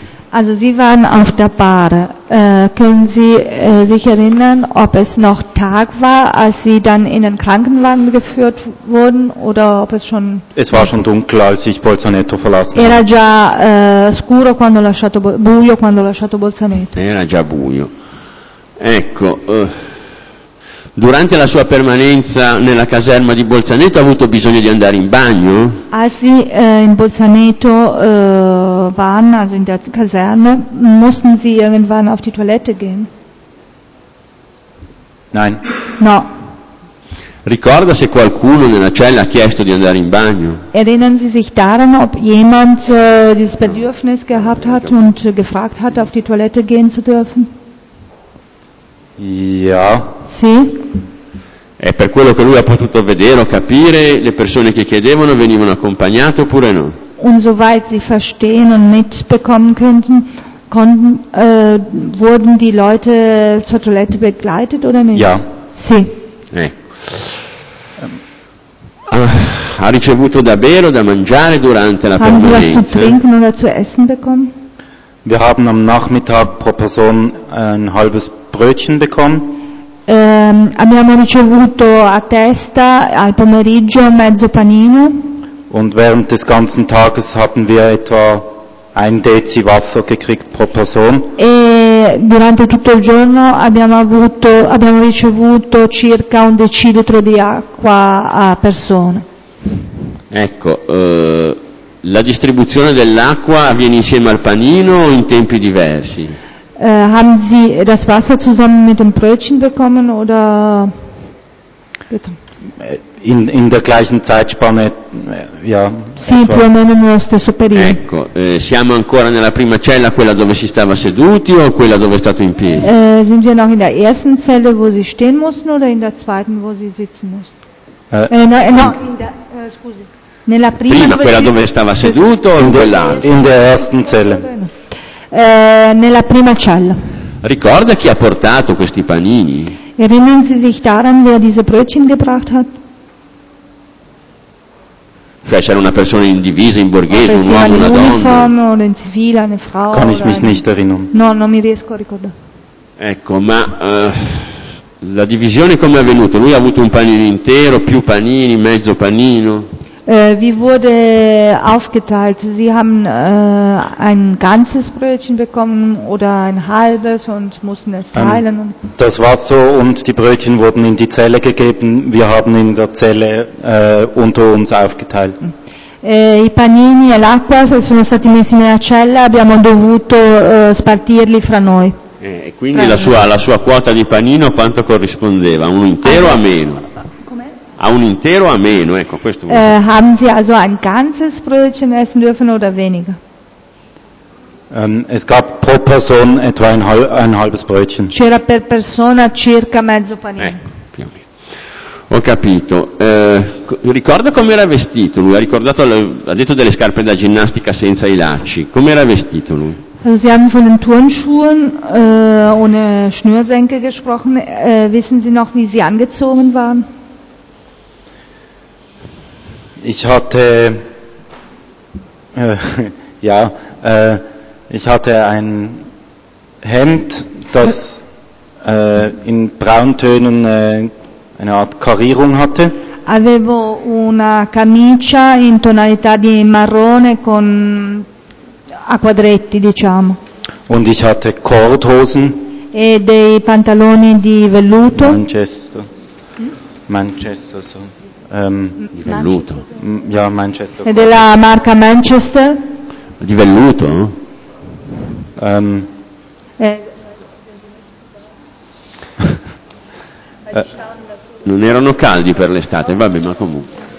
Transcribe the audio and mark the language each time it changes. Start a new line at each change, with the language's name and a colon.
German: Also sie waren auf der Bar. Können Sie sich erinnern, ob es noch Tag war, als sie dann in den Krankenwagen geführt wurden, oder ob es schon? Es war schon dunkel, als ich Bolzaneto verlassen.
Italian: Era già scuro quando ho lasciato buio quando ho lasciato Bolzaneto. Era già buio. Ecco. Durante la sua permanenza nella caserma di Bolzaneto ha avuto bisogno di andare in bagno?
German: Als sie in Bolzaneto waren, also in der Kaserne, mussten sie irgendwann auf die Toilette gehen? Nein.
Italian: No. Ricorda se qualcuno nella cella ha chiesto di andare in bagno?
German: Erinnern Sie sich daran, ob jemand dieses Bedürfnis gehabt hat und gefragt hat, auf die Toilette gehen zu dürfen? Ja.
Italian: Sì. È per quello che lui ha potuto vedere o capire, le persone che chiedevano venivano accompagnate oppure no?
German: Und soweit sie verstehen und mitbekommen könnten, konnten, wurden die Leute zur Toilette begleitet oder nicht? Ja.
Italian: Sì. Ha ricevuto da bere o da mangiare durante la
German: haben
Italian: permanenza?
German: Haben Sie was zu trinken oder zu essen bekommen? Wir haben am Nachmittag pro Person ein halbes Brötchen bekommen.
Italian: Abbiamo ricevuto a testa al pomeriggio mezzo panino.
German: Und während des ganzen Tages hatten wir etwa ein Dezi Wasser gekriegt pro Person.
Italian: E durante tutto il giorno abbiamo ricevuto circa un decilitro di acqua a persona. Ecco. La distribuzione dell'acqua avviene insieme al panino o in tempi diversi?
German: Haben Sie das Wasser zusammen mit dem Brötchen bekommen oder bitte? In der gleichen Zeitspanne, ja.
Italian: Sì, più o meno nello stesso periodo. Ecco, siamo ancora nella prima cella, quella dove si stava seduti o quella dove è stato in piedi?
German: Sind wir noch in der ersten Zelle, wo Sie stehen mussten oder in der zweiten, wo Sie sitzen mussten?
Italian: Scusi. Nella prima quella dove stava seduto o in quella?
German: In der ersten Zelle.
Italian: Nella prima cella. Ricorda chi ha portato questi panini?
German: Erinnern Sie sich daran, wer diese Brötchen gebracht hat?
Italian: Cioè c'era una persona in divisa, in borghese, un uomo, una donna?
German: Uniforme, oder
Italian: in civile,
German: eine Frau. Kann ich mich nicht erinnern.
Italian: No, non mi riesco a ricordare. Ecco, ma la divisione come è avvenuta? Lui ha avuto un panino intero, più panini, mezzo panino?
German: Wie wurde aufgeteilt? Sie haben ein ganzes Brötchen bekommen oder ein halbes und mussten es teilen? Das Wasser und die Brötchen wurden in die Zelle gegeben. Wir haben in der Zelle unter uns aufgeteilt.
Italian: I panini e l'acqua sono stati messi nella cella. Abbiamo dovuto spartirli fra noi. Quindi fra la sua quota di panino quanto corrispondeva? Un intero o meno? A un intero o a meno, ecco, questo.
German: Haben Sie also ein ganzes Brötchen essen dürfen oder weniger? Es gab pro Person etwa ein halbes Brötchen.
Italian: C'era per persona circa mezzo panino. Più o meno. Ho capito. Ricorda com'era vestito lui? Ha detto delle scarpe da ginnastica senza i lacci. Com'era vestito lui?
German: Also Sie haben von den Turnschuhen ohne Schnürsenkel gesprochen. Wissen Sie noch, wie sie angezogen waren? Ich hatte ein Hemd, das in Brauntönen eine Art Karierung hatte.
Italian: Avevo una camicia in tonalità di marrone con a quadretti, diciamo.
German: Und ich hatte Cordhosen.
Italian: E dei pantaloni di velluto.
German: Manchester, so.
Italian: Di velluto.
German: Ja, Manchester.
Italian: E della marca Manchester? Di velluto? Non erano caldi per l'estate, vabbè, ma comunque.